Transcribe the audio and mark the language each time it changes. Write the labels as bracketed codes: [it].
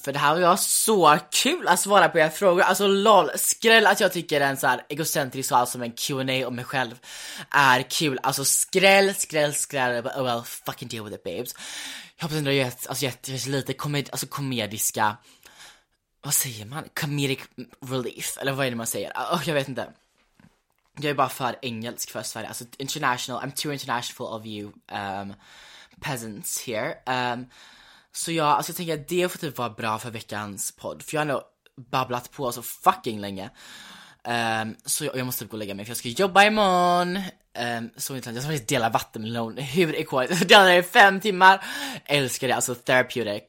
[sv] För det här var så kul att svara på era frågor. Alltså lol, skräll att jag tycker en så här egocentrisk svar som en Q&A om mig själv är kul. Alltså skräll, [en] oh well, fucking deal with it babes. [sv] Jag hoppas att du har gett, alltså, komediska, vad säger man? [en] Comedic relief. [sv] Eller vad är det man säger? Jag vet inte. Jag är bara för engelsk för Sverige. Alltså international. [en] I'm too international of you peasants here. [sv] Så ja, alltså, jag tänker att det får typ vara bra för veckans podd. För jag har nog babblat på så fucking länge. Så jag måste typ gå och lägga mig. För jag ska jobba imorgon. Så intressant. Jag ska faktiskt dela vattenmelon. Hur är det? Jag delar det i 5 timmar. Älskar det. Alltså therapeutic.